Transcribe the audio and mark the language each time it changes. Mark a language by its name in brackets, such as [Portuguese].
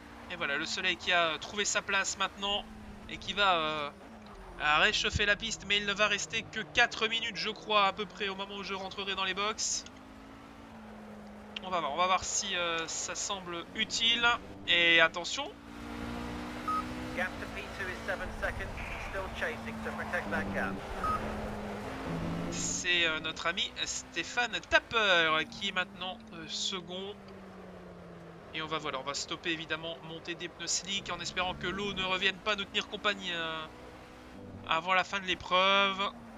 [French] Et voilà, le soleil qui a trouvé sa place maintenant et qui va réchauffer la piste. Mais il ne va rester que 4 minutes, je crois, à peu près au moment où je rentrerai dans les box. On va voir si ça semble utile. Et attention. [English] Gap to P2 is 7 seconds, he's still chasing to protect that gap. [French] C'est notre ami Stéphane Tapper qui est maintenant second. Et on va stopper évidemment, monter des pneus slick en espérant que l'eau ne revienne pas nous tenir compagnie avant la fin de l'épreuve.